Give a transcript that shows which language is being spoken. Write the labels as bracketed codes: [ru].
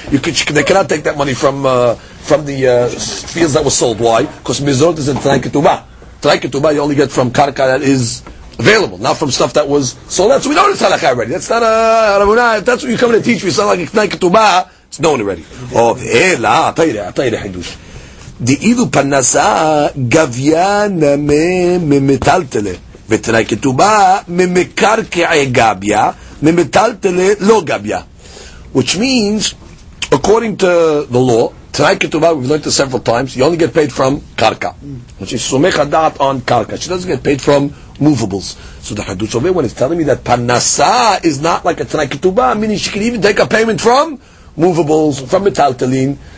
[en] They cannot take that money from the fields that were sold. Why? Because mizonot is in tanai ketubah. Tanai ketubah you only get from karka that is available, not from stuff that was sold. So we know it's halakha already. That's not a rabuna. If that's what you're coming to teach me, it's not like tanai ketubah. It's known already. [arc] Oh, ela, atayre hidush. דאילו פנסה גביה נמי ממטלטלה ותנאי כתובה ממקרקעי גביה ממטלטלה לא גביה. [en] Which means, according to the law, Tanai Ketubah, we've learned this several times, you only get paid from karka. Which is sumech adat on karka. She doesn't get paid from movables. So the Hadush Oveh, when it's telling me that Parnasa is not like a Tanai Ketubah, meaning she can even take a payment from movables, from metaltalin.